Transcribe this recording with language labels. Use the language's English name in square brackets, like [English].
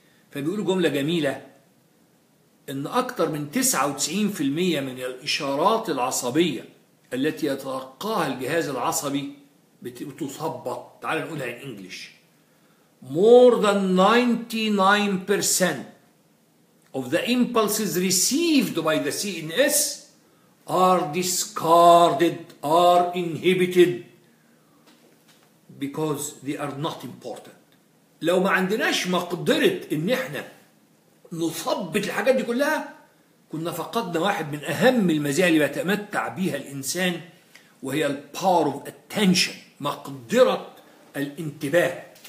[Arabic] فبيقولوا جمله جميله، ان اكثر من 99% من الاشارات العصبيه التي يتلقاها الجهاز العصبي بتثبط، تعال نقولها [English] in English، more than 99% of the impulses received by the CNS are discarded, are inhibited, because they are not important. [Arabic] لو ما عندناش مقدرة ان احنا نثبت الحاجات دي كلها كنا فقدنا واحد من اهم المزايا اللي بيتمتع بيها الانسان، وهي الـ power of attention، مقدرة الانتباه.